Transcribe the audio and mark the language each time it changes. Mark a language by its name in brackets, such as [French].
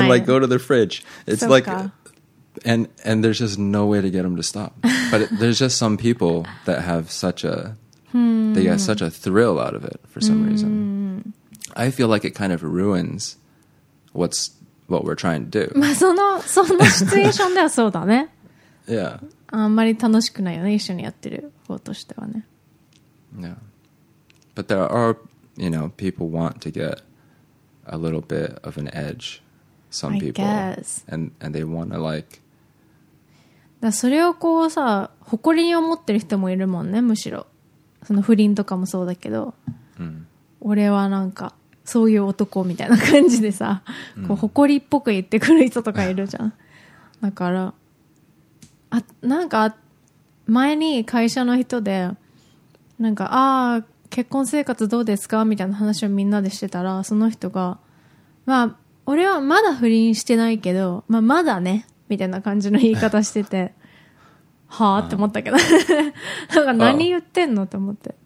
[English] And like go to the fridge. It's like, and there's just no way to get him to stop. But there's just some people that have such a, they get such a thrill out of it for some reason. I feel like it kind of ruins what we're trying to do. [Japanese] まあそのシチュエーションではそうだね。 [English] Yeah. [Japanese] あんまり楽しくないよね、一緒にやってる方としてはね。 [English] Yeah. But there are... You know, people want to get a little bit of an edge. Some people, I guess. And they want to like. [Japanese] だそれをこうさ誇りに思ってる人もいるもんね。むしろその不倫とかもそうだけど、うん、俺はなんかそういう男みたいな感じでさ、こう誇りっぽく言ってくる人とかいるじゃん、だからあなんか前に会社の人でなんか、ああ結婚生活どうですかみたいな話をみんなでしてたら、その人がまあ俺はまだ不倫してないけど、まあまだねみたいな感じの言い方しててはあって思ったけどなんか何言ってんのって思って、